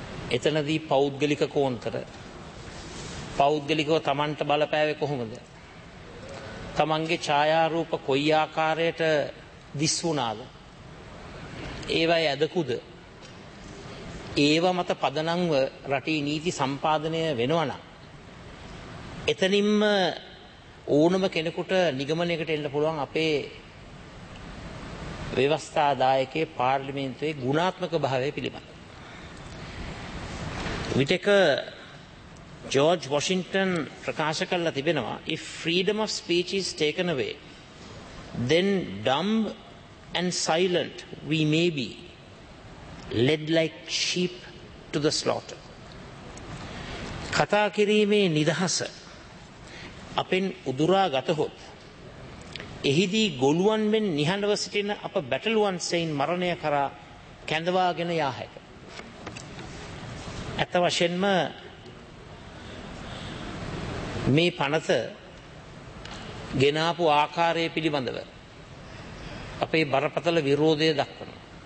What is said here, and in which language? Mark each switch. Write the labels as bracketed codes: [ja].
[si] එතනදී පෞද්ගලික කෝන්තර, පෞද්ගලිකව තමන්ට බලපෑවේ කොහොමද, තමන්ගේ ඡායාරූප කොයි ආකාරයට දිස් වුණාද, ඒවයි ඇදකුද, ඒව මත පදනම්ව රටේ නීති සම්පාදනය වෙනවනම් එතනින්ම ඕනම කෙනෙකුට නිගමනයකට එන්න පුළුවන් අපේ ව්‍යවස්ථා දායකයේ පාර්ලිමේන්තුවේ ගුණාත්මක භාවය පිළිබඳ. විටෙක ජෝර්ජ් වොෂින්ටන් ප්‍රකාශ කරලා තිබෙනවා, [en] if freedom of speech is taken away, then dumb and silent we may be, led like sheep to the slaughter. [si] කතා කිරීමේ නිදහස අපෙන් උදුරා ගතහොත්, එහිදී ගොළුවන් මෙන් නිහඬව සිටින අප බැටළුවන් සෙයින් මරණය කරා කැඳවාගෙන යා හැක. ඇත්ත වශයෙන්ම මේ පනත ගෙනාපු ආකාරය පිළිබඳව අපේ බරපතල විරෝධය දක්වනවා.